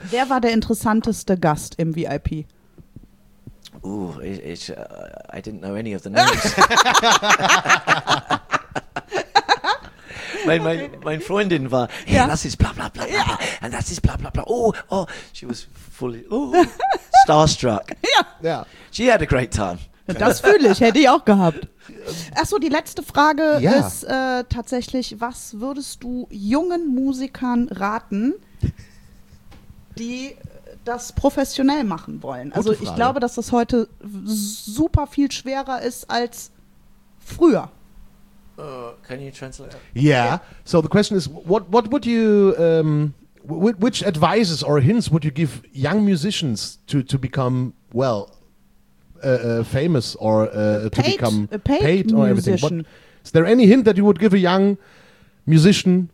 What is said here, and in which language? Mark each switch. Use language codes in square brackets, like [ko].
[de] Wer war der interessanteste Gast im VIP? [en] I didn't know any of the names. [de] mein Freundin war, hey, das ist bla bla bla. Ja. And das ist bla bla bla. Oh. [en] She was fully, starstruck. [de] Ja. [en] She had a great time. [de] Das fühle ich, hätte ich auch gehabt. Achso, die letzte Frage ist tatsächlich, was würdest du jungen Musikern raten, die das professionell machen wollen? Gute also Frage. Ich glaube, dass das heute super viel schwerer ist als früher. [en] Can you translate? Yeah, so the question is, what would you, which advices or hints would you give young musicians to become, well, famous or paid or everything. What, is there any hint that you would give a young musician?